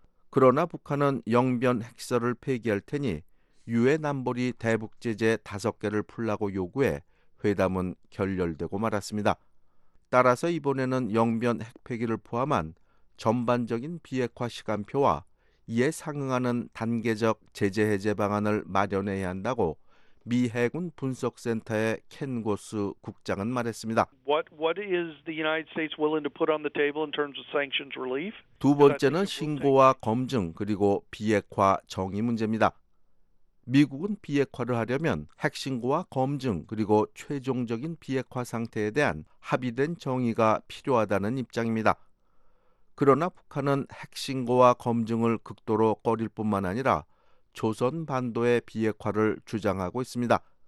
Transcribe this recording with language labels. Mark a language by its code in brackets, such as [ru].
[ko] 그러나 북한은 영변 핵시설을 폐기할 테니 유엔 안보리 대북 제재 5개를 풀라고 요구해 회담은 결렬되고 말았습니다. 따라서 이번에는 영변 핵폐기를 포함한 전반적인 비핵화 시간표와 이에 상응하는 단계적 제재 해제 방안을 마련해야 한다고 미 해군 분석센터의 켄 고스 국장은 말했습니다. [en] What is the United States willing to put on the table in terms of sanctions relief? [ko] 두 번째는 신고와 검증 그리고 비핵화 정의 문제입니다. 미국은 비핵화를 하려면 핵신고와 검증 그리고 최종적인 비핵화 상태에 대한 합의된 정의가 필요하다는 입장입니다. 그러나 북한은 핵신고와 검증을 극도로 꺼릴 뿐만 아니라 조선 반도의 비핵화를 주장하고 있습니다.